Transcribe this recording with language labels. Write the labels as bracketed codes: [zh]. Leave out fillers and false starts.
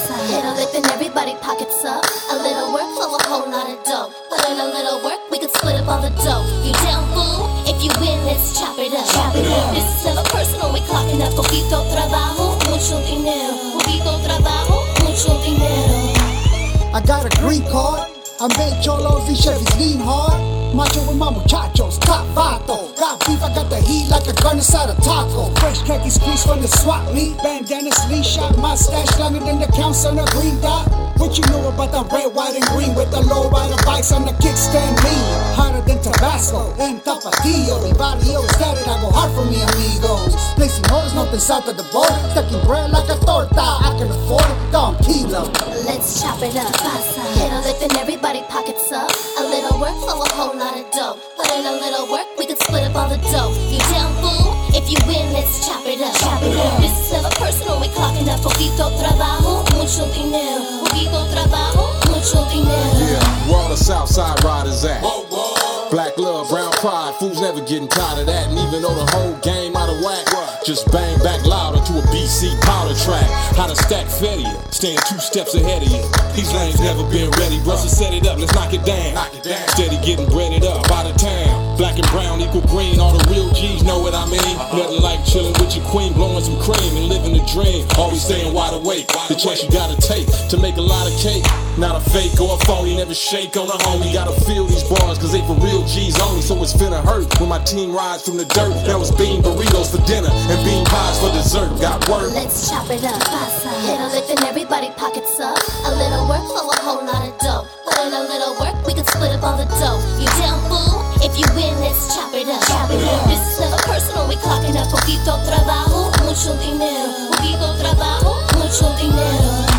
[en] Hit a lick and everybody pockets up. A little work for a whole lot of dough. Put in a little work, we can split up all the dough. You down, fool? If you win, let's chop it up. Chop it up. This is never personal, we clocking up. [es] Poquito trabajo, mucho dinero. Poquito trabajo, mucho dinero. [en] I got a green card. I made cholos and Chevys lean hard. Macho with my muchachos, top vato. Got beef, I got the heat like a gun inside a taco. Fresh khaki squeeze from the swap meet. Bandana slee shot, my stash longer than the counts on the green dot. What you know about the red, white, and green? With the low rider bikes on the kickstand lean. Hotter than Tabasco and Tapatio. [es] Mi barrio [en] is that it, I go hard for me amigos. Placing orders, nothing south of the border. Stacking bread like a torta, I can afford it. Don Kilo. Let's chop it up, pasa. Hit a lift and everybody pockets up. A little work for a whole lot of dough. Put in a little work, we can split up all the dough. You down, fool? If you win, let's chop it up. Chop it up. This is never personal, we clocking up. [es] Poquito trabajo, mucho dinero. Poquito trabajo, mucho dinero. [en] Yeah, where all the Southside riders at? Whoa, whoa. Black love, brown pride, fools never getting tired of that. And even though the whole game out of whack, just bang back louder to a BC powder track. How to stack failure, staying two steps ahead of you. These lanes never been ready, Russell set it up, let's knock it down. Steady getting breaded up out of town. Black and brown equal green, all the real G's know what I mean. Nothing like chilling with your queen, blowing some cream and living the dream. Always staying wide awake, the chance you gotta take to make a lot of cake. Not a fake or a phony, never shake on a homie. Gotta feel these bars, cause they for real G's only. So it's finna hurt when my team rides from the dirt. That was bean burritos for dinner and bean pies for dessert. Got work. Let's chop it up, pasa. Hit a lick and everybody pockets up. A little work for a whole lot of dough. Put in a little work, we can split up all the dough. You down, fool? If you win, let's chop it up. Chop it up. This is never personal, we clocking up. [es] Poquito trabajo, mucho dinero. Poquito trabajo, mucho dinero.